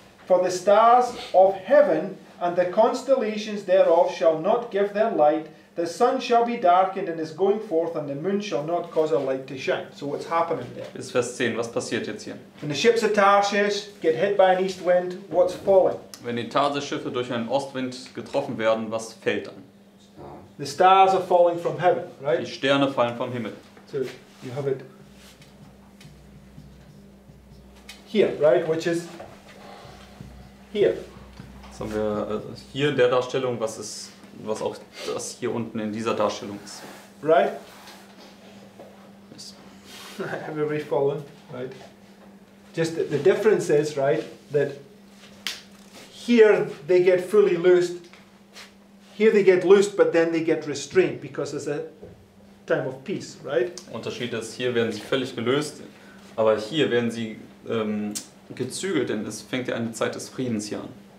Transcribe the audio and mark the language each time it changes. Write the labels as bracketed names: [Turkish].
[English] For the stars of heaven and the constellations thereof shall not give their light. The sun shall be darkened and is going forth, and the moon shall not cause a light to shine. So what's happening there? [German] Bis Vers 10, was passiert jetzt hier? [English] When the ships of Tarshish get hit by an east wind, what's falling? [German] Wenn die Tarsisschiffe durch einen Ostwind getroffen werden, was fällt dann? [English] The stars are falling from heaven, right? [German] Die Sterne fallen vom Himmel. [English] So you have it here, right? Which is here. [German] Jetzt haben wir hier in der Darstellung, was ist... Was auch das hier unten in dieser Darstellung ist. [English] Right? Yes. Have you fallen? Right? Just the difference is, right, that here they get fully loosed. Here they get loosed, but then they get restrained because it's a time of peace, right? [German] Unterschied ist, hier werden sie völlig gelöst, aber hier werden sie gezügelt, denn es fängt ja eine Zeit des Friedens hier an.